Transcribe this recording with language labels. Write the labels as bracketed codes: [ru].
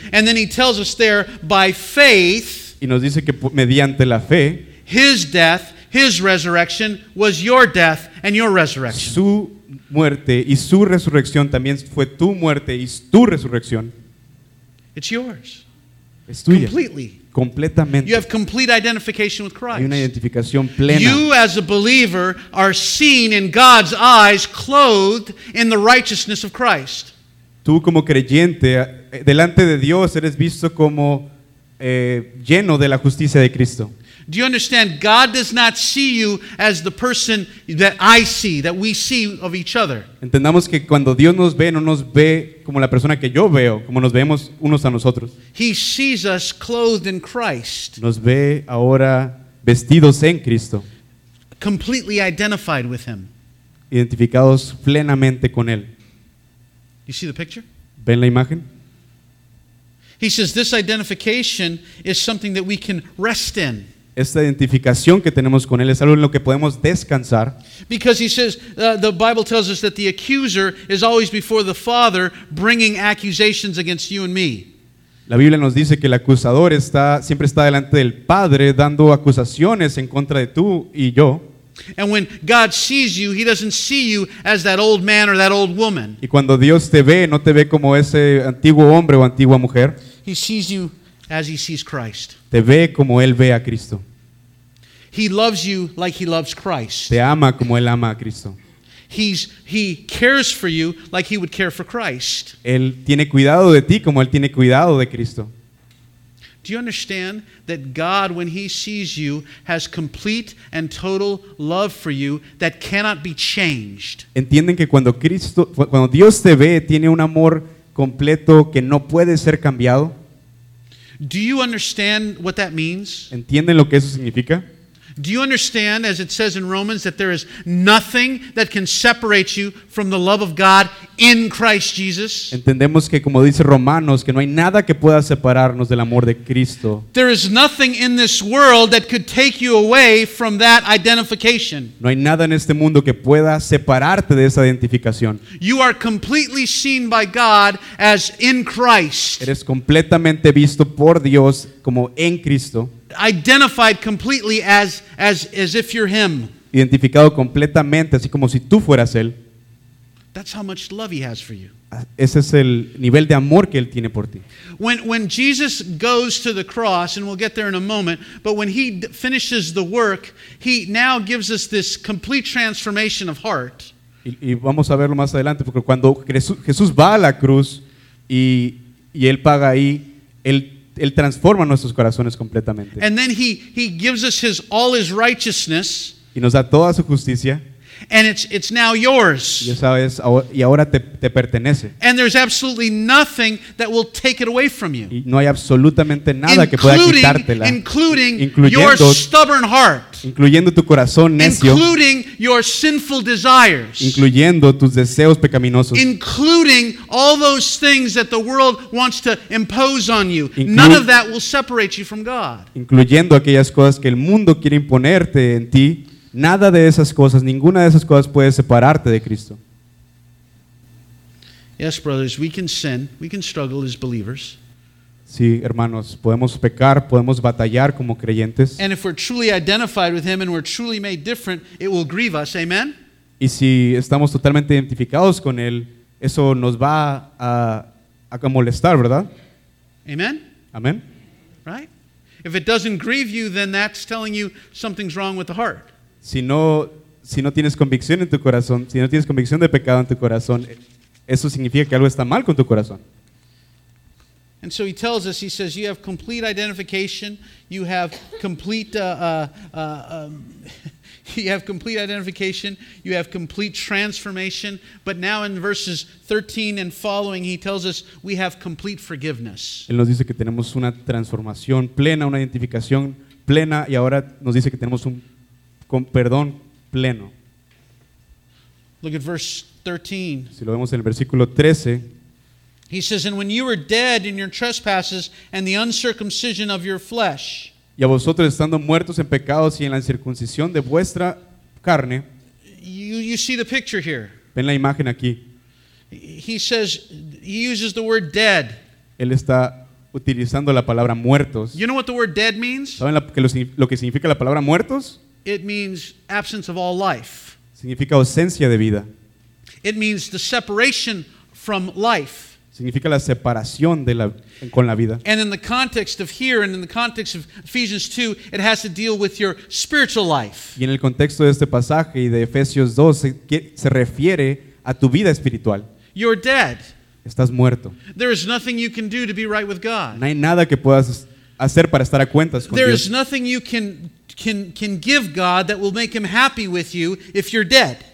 [en] and then he tells us there by faith, [es] y nos dice que mediante la fe, [en] his death, his resurrection was your death and your resurrection. [es] Su muerte y su resurrección también fue tu muerte y tu resurrección. [en] It's yours. [es] Es tuya. [en] Completely. [es] Completamente. [en] You have complete identification with Christ. [es] Hay una identificación plena. [en] You as a believer are seen in God's eyes clothed in the righteousness of Christ. [es] Tú como creyente delante de Dios eres visto como lleno de la justicia de Cristo. [en] Do you understand? God does not see you as the person that I see, that we see of each other. [es] Entendamos que cuando Dios nos ve, no nos ve como la persona que yo veo, como nos vemos unos a nosotros. [en] He sees us clothed in Christ. [es] Nos ve ahora vestidos en Cristo. [en] Completely identified with him. [es] Identificados plenamente con él. [en] You see the picture? [es] ¿Ven la imagen? [en] He says this identification is something that we can rest in. [es] Esta identificación que tenemos con él es algo en lo que podemos descansar. [en] Because he says, the Bible tells us that the accuser is always before the Father bringing accusations against you and me. [es] La Biblia nos dice que el acusador siempre está delante del Padre dando acusaciones en contra de tú y yo. [en] And when God sees you, he doesn't see you as that old man or that old woman. [es] Y cuando Dios te ve, no te ve como ese antiguo hombre o antigua mujer. [en] He sees you as he sees Christ. [es] Te ve como él ve a Cristo. [en] He loves you like he loves Christ. [es] Te ama como él ama a Cristo. [en] He cares for you like he would care for Christ. [es] Él tiene cuidado de ti como él tiene cuidado de Cristo. [en] Do you understand that God, when he sees you, has complete and total love for you that cannot be changed? [es] ¿Entienden que cuando Dios te ve, tiene un amor completo que no puede ser cambiado? [en] Do you understand what that means? [es] ¿Entienden lo que eso significa? [en] Do you understand, as it says in Romans, that there is nothing that can separate you from the love of God in Christ Jesus? [es] Entendemos que, como dice Romanos, que no hay nada que pueda separarnos del amor de Cristo. [en] There is nothing in this world that could take you away from that identification. [es] No hay nada en este mundo que pueda separarte de esa identificación. [en] You are completely seen by God as in Christ. [es] Eres completamente visto por Dios como en Cristo. [en] Identified completely as if you're him. [es] Identificado completamente, así como si tú fueras él. [en] That's how much love he has for you. [es] Ese es el nivel de amor que él tiene por ti. [en] When Jesus goes to the cross, and we'll get there in a moment, but when he finishes the work, he now gives us this complete transformation of heart. [es] Y vamos a verlo más adelante, porque cuando Jesús va a la cruz y él paga ahí, él transforma nuestros corazones completamente. [en] And then he gives us all his righteousness. [es] Y nos da toda su justicia. [en] And it's now yours. [es] Y ahora te pertenece. [en] And there's absolutely nothing that will take it away from you. [es] Y no hay absolutamente nada que pueda quitártela. [en] Including your stubborn heart. [es] Incluyendo tu corazón necio. [en] Including your sinful desires. [es] Incluyendo tus deseos pecaminosos. [en] Including all those things that the world wants to impose on you. None of that will separate you from God. [es] Incluyendo aquellas cosas que el mundo quiere imponerte en ti. Nada de esas cosas, ninguna de esas cosas puede separarte de Cristo. [en] Yes, brothers, we can sin, we can struggle as believers. [es] Sí, hermanos, podemos pecar, podemos batallar como creyentes. [en] And if we're truly identified with him and we're truly made different, it will grieve us, amen? [es] Y si estamos totalmente identificados con él, eso nos va a molestar, ¿verdad? [en] Amen? Amen. Right? If it doesn't grieve you, then that's telling you something's wrong with the heart. [es] Si no tienes convicción en tu corazón, si no tienes convicción de pecado en tu corazón, eso significa que algo está mal con tu corazón. [en] And so he tells us, he says, you have complete identification, you have complete you have complete identification, you have complete transformation, but now in verses 13 and following, he tells us we have complete forgiveness. [es] Él nos dice que tenemos una transformación plena, una identificación plena, y ahora nos dice que tenemos un con perdón pleno. [en] Look at verse 13. [es] Si lo vemos en el versículo 13. [en] He says, and when you were dead in your trespasses and the uncircumcision of your flesh. [es] Y a vosotros estando muertos en pecados y en la circuncisión de vuestra carne. [en] You see the picture here. [es] Ven la imagen aquí. [en] He says, he uses the word dead. [es] Él está utilizando la palabra muertos. [en] You know what the word dead means? [es] ¿Saben lo que significa la palabra muertos? [en] It means absence of all life. [es] Significa ausencia de vida. [en] It means the separation from life. [es] Significa la separación de con la vida. [en] And in the context of here and in the context of Ephesians 2, it has to deal with your spiritual life. [es] Y en el contexto de este pasaje y de Efesios 2 se refiere a tu vida espiritual. [en] You're dead. [es] Estás muerto. [en] There is nothing you can do to be right with God. [es] No hay nada que puedas hacer para estar a cuentas con [en] There There is nothing you can give God that will make him happy with you if you're dead.